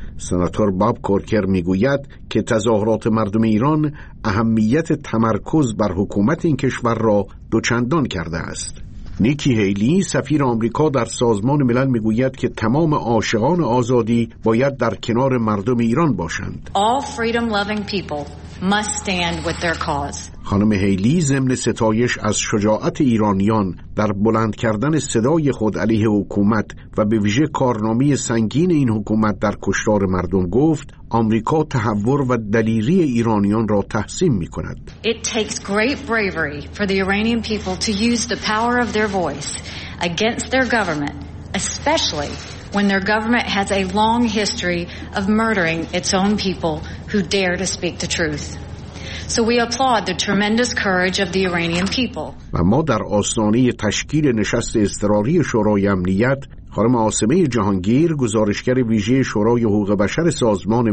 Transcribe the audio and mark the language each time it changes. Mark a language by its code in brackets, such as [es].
[fa] سناتور باب کورکر میگوید که تظاهرات مردم ایران اهمیت تمرکز بر حکومت این کشور را دوچندان کرده است. نیکی هیلی سفیر آمریکا در سازمان ملل میگوید که تمام عاشقان آزادی باید در کنار مردم ایران باشند. [en] All freedom-loving people must stand with their cause. [fa] خانم هیلی ضمن ستایش از شجاعت ایرانیان در بلند کردن صدای خود علیه حکومت و به ویژه کارنامه سنگین این حکومت در کشتار مردم گفت آمریکا تهور و دلیری ایرانیان را تحسین می‌کند. [en] It takes great bravery for the Iranian people to use the power of their voice against their government, especially when their government has a long history of murdering its own people who dare to speak the truth. So we applaud the tremendous courage of the Iranian people. [fa] و ما در آستانه تشکیل نشست اضطراری شورای امنیت، خانم عاصمه جهانگیر گزارشگر ویژه شورای حقوق بشر سازمان